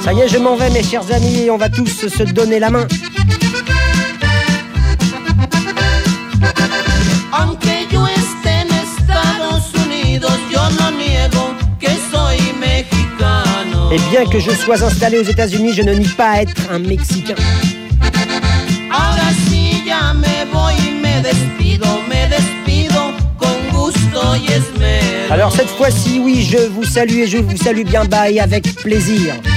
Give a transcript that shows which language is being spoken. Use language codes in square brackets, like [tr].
[fr] Je m'en vais, mes chers amis, et on va tous se donner la main. [es] Aunque yo esté en Estados Unidos, yo no niego que soy mexicano. [fr] Et bien que je sois installé aux États-Unis, je ne nie pas être un Mexicain. [es] Ahora sí ya me voy, me despido con gusto y esmero. [fr] Alors cette fois-ci, oui, je vous salue et je vous salue bien bas et avec plaisir.